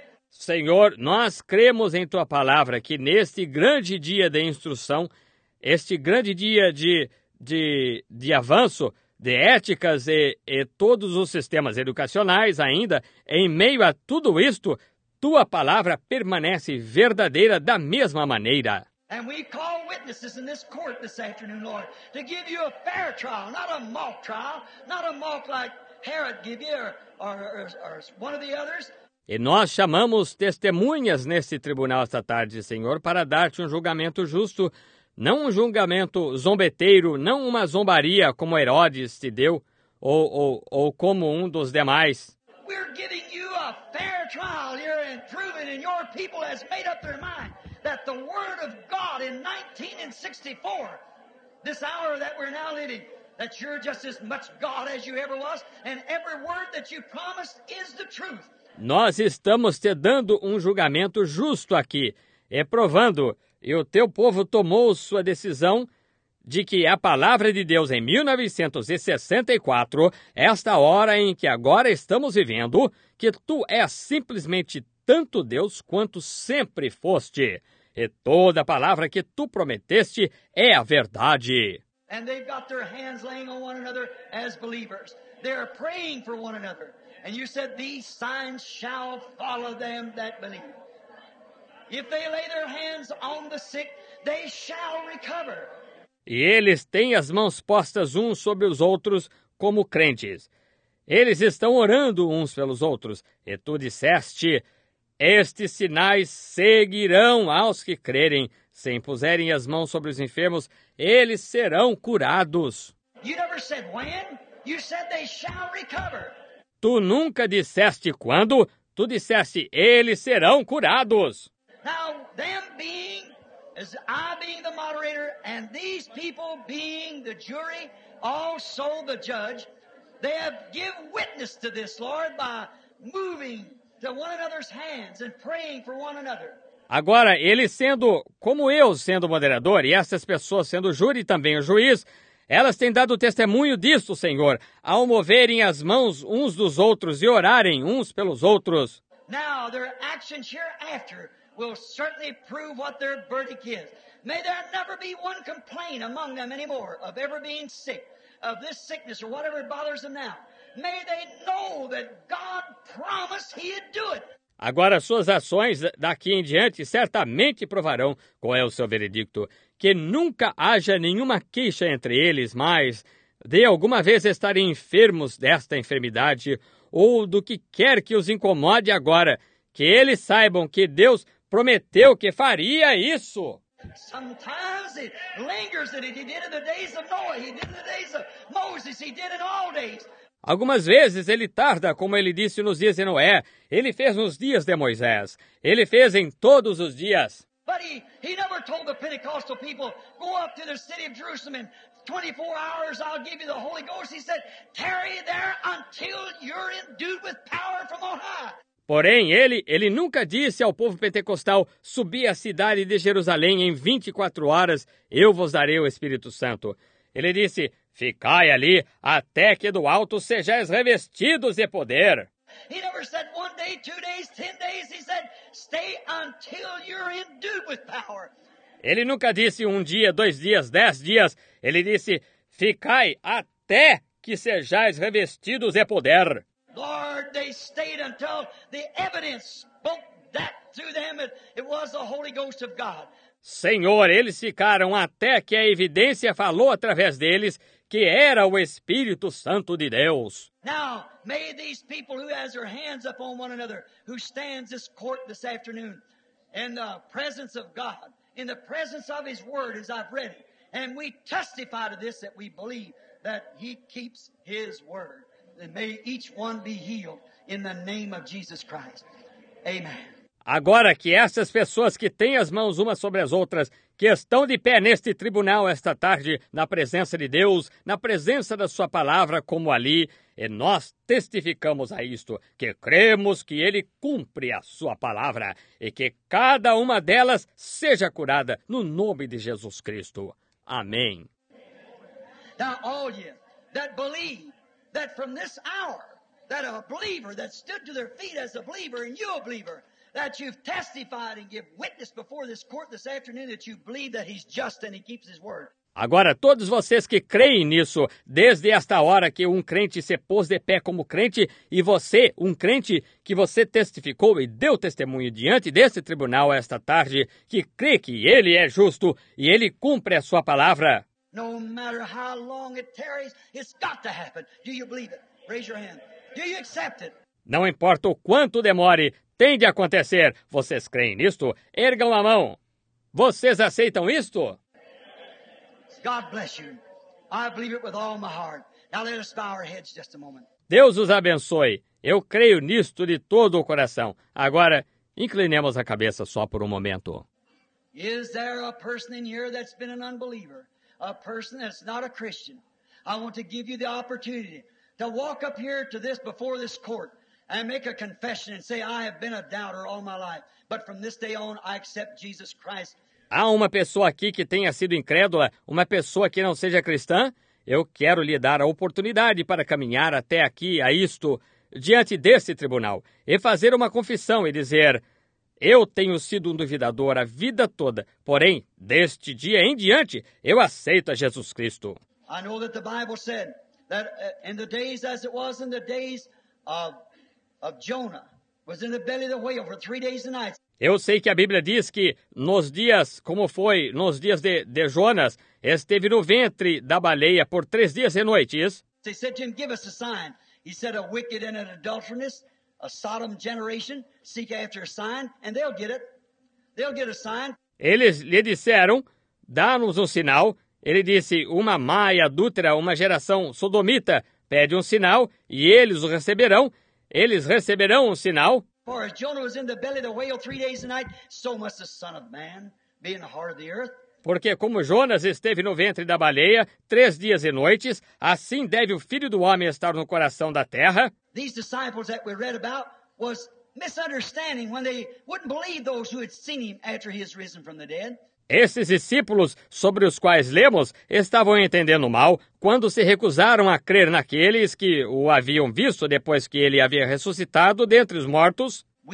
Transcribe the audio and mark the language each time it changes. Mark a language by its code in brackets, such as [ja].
[pt] Senhor, nós cremos em tua palavra que neste grande dia de instrução, este grande dia de avanço, de éticas e todos os sistemas educacionais ainda, em meio a tudo isto, tua palavra permanece verdadeira da mesma maneira. [en] And we call witnesses in this court this afternoon, Lord, to give you a fair trial, not a mock like Herod gave you or one of the others. [pt] E nós chamamos testemunhas neste tribunal esta tarde, Senhor, para dar-te um julgamento justo, não um julgamento zombeteiro, não uma zombaria como Herodes te deu, ou como um dos demais. [en] We're giving you a fair trial here and proving, and your people has made up their mind that the word of God in 1964, this hour that we're now living, that you're just as much God as you ever was, and every word that you promised is the truth. [pt] Nós estamos te dando um julgamento justo aqui, é provando, e o teu povo tomou sua decisão de que a palavra de Deus em 1964, esta hora em que agora estamos vivendo, que tu és simplesmente tanto Deus quanto sempre foste, e toda palavra que tu prometeste é a verdade. [en] And they've got their hands laying on one another as believers. They're praying for one another. And you said, these signs shall follow them that believe. If they lay their hands on the sick, they shall recover. [pt] E eles têm as mãos postas uns sobre os outros como crentes. Eles estão orando uns pelos outros. E tu disseste, estes sinais seguirão aos que crerem. Se impuserem as mãos sobre os enfermos, eles serão curados. [en] You never said when. You said they shall recover. [pt] Tu nunca disseste quando, tu disseste, eles serão curados. [en] Now, them being, as I being the moderator, and these people being the jury, also the judge, they have given witness to this, Lord, by moving to one another's hands and praying for one another. [pt] Agora, eles sendo, como eu sendo moderador, e essas pessoas sendo júri também o juiz, elas têm dado testemunho disso, Senhor, ao moverem as mãos uns dos outros e orarem uns pelos outros. [en] Now, their actions hereafter will certainly prove what their verdict is. May there never be one complaint among them anymore of ever being sick, of this sickness or whatever bothers them now. May they know that God promised he'd do it. [pt] Agora, suas ações daqui em diante certamente provarão qual é o seu veredicto. Que nunca haja nenhuma queixa entre eles mais de alguma vez estarem enfermos desta enfermidade ou do que quer que os incomode agora. Que eles saibam que Deus prometeu que faria isso. [en] Sometimes it lingers that he did in the days of Noah, he did in the days of Moses, he did in all days. [pt] Algumas vezes ele tarda, como ele disse nos dias de Noé. Ele fez nos dias de Moisés. Ele fez em todos os dias. [en] But he never told the Pentecostal people, go up to the city of Jerusalem in 24 hours, I'll give you the Holy Ghost. He said, tarry there until you're endued with power from on high. [pt] Porém, ele nunca disse ao povo pentecostal, subi à cidade de Jerusalém em 24 horas, eu vos darei o Espírito Santo. Ele disse, ficai ali até que do alto sejais revestidos de poder. [en] He never said one day, 2 days, 10 days. He said, stay until you're endued with power. [pt] Ele nunca disse um dia, 2 dias, 10 dias. Ele disse, ficai até que sejais revestidos de poder. [en] Lord, they stayed until the evidence spoke that to them. It was the Holy Ghost of God. [pt] Senhor, eles ficaram até que a evidência falou através deles que era o Espírito Santo de Deus. [en] Now, may these people who has their hands up on one another, who stands this court this afternoon, in the presence of God, in the presence of his word as I've read it, and we testify to this that we believe that he keeps his word. And may each one be healed in the name of Jesus Christ. Amen. [pt] Agora que essas pessoas que têm as mãos umas sobre as outras, que estão de pé neste tribunal esta tarde, na presença de Deus, na presença da sua palavra como ali, e nós testificamos a isto, que cremos que ele cumpre a sua palavra e que cada uma delas seja curada no nome de Jesus Cristo. Amém. [en] Now all you that believe that from this hour that a believer that stood to their feet as a believer and you a believer that you've testified and give witness before this court this afternoon that you believe that he's just and he keeps his word. [pt] Agora, todos vocês que creem nisso, desde esta hora que um crente se pôs de pé como crente, e você, um crente, que você testificou e deu testemunho diante deste tribunal esta tarde, que crê que ele é justo e ele cumpre a sua palavra. [en] No matter how long it tarries, it's got to happen. Do you believe it? Raise your hand. Do you accept it? [pt] Não importa o quanto demore, tem de acontecer. Vocês creem nisto? Ergam a mão. Vocês aceitam isto? [en] God bless you. I believe it with all my heart. Now let us bow our heads just a moment. [pt] Deus os abençoe. Eu creio nisto de todo o coração. Agora, inclinemos a cabeça só por um momento. [en] Is there a person in here that's been an unbeliever? A person that's not a Christian? I want to give you the opportunity to walk up here to this before this court and make a confession and say, I have been a doubter all my life, but from this day on, I accept Jesus Christ. [pt] Há uma pessoa aqui que tenha sido incrédula, uma pessoa que não seja cristã? Eu quero lhe dar a oportunidade para caminhar até aqui, a isto, diante deste tribunal, e fazer uma confissão e dizer, eu tenho sido um duvidador a vida toda, porém, deste dia em diante, eu aceito a Jesus Cristo. [en] I know that the Bible said that in the days as it was in the days of Jonah, was in the belly of the whale for 3 days and nights. [pt] Eu sei que a Bíblia diz que nos dias de Jonas, esteve no ventre da baleia por 3 dias e noites. [en] They said to him, give us a sign. He said, a wicked and an adulterous, a Sodom generation, seek after a sign, and they'll get it. They'll get a sign. [pt] Eles lhe disseram, dá-nos um sinal. Ele disse, uma má e adúltera, uma geração sodomita, pede um sinal e eles o receberão. Eles receberão um sinal. [en] For as Jonah was in the belly of the whale 3 days and night, so must the Son of Man be in the heart of the earth. [pt] Porque como Jonas esteve no ventre da baleia 3 dias e noites, assim deve o Filho do Homem estar no coração da terra. [en] These disciples that we read about was misunderstanding when they wouldn't believe those who had seen him after he has risen from the dead. [pt] Esses discípulos sobre os quais lemos estavam entendendo mal quando se recusaram a crer naqueles que o haviam visto depois que ele havia ressuscitado dentre os mortos.